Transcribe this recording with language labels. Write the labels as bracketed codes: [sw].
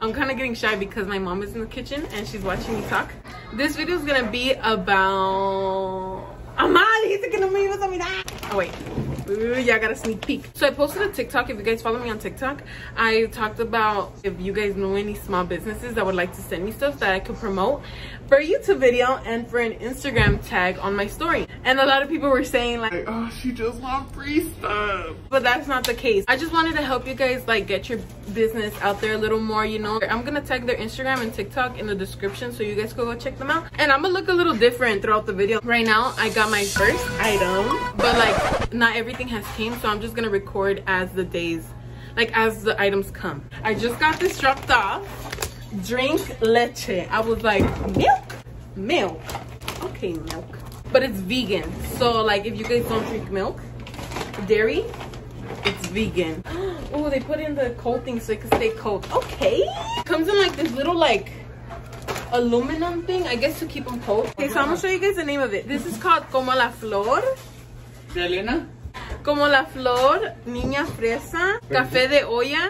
[en] I'm kind of getting shy because my mom is in the kitchen and she's watching me talk. This video is gonna be about. [es] Amal, dijiste que no me ibas a mirar. [en] Oh wait. Ooh, yeah, I got a sneak peek. So I posted a TikTok. If you guys follow me on TikTok, I talked about if you guys know any small businesses that would like to send me stuff that I could promote for a YouTube video and for an Instagram tag on my story. And a lot of people were saying like, oh, she just want free stuff. But that's not the case. I just wanted to help you guys like get your business out there a little more, you know. I'm gonna tag their Instagram and TikTok in the description so you guys can go check them out. And I'm gonna look a little different throughout the video. Right now, I got my first item, but like not everything has came, so I'm just gonna record as the days, like as the items come. I just got this dropped off. Drink leche. I was like, milk? Milk. Okay, milk. But it's vegan. So like if you guys don't drink milk, dairy, it's vegan. Oh, they put in the cold thing so it can stay cold. Okay. Comes in like this little like aluminum thing, I guess, to keep them cold. Okay, so I'm gonna show you guys the name of it. This is called Como la Flor. Selena. [es] Como la flor, niña fresa, café de olla.